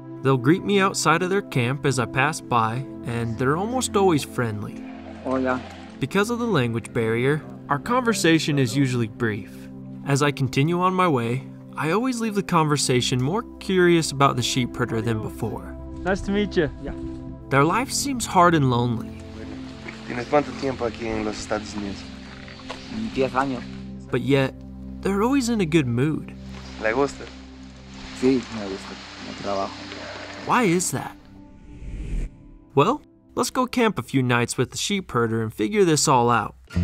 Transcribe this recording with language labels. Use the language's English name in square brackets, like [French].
[English] They'll greet me outside of their camp as I pass by, and they're almost always friendly. [Spanish] Hola. [English] Because of the language barrier, our conversation is usually brief. As I continue on my way, I always leave the conversation more curious about the sheep herder than before. Nice to meet you. Yeah. Their life seems hard and lonely. [Spanish] ¿Tienes cuánto tiempo aquí en los Estados Unidos? 10 años. [English] But yet, they're always in a good mood. [Spanish] ¿Le gusta? Sí, me gusta. Me trabajo. [English] Why is that? Well, let's go camp a few nights with the sheep herder and figure this all out.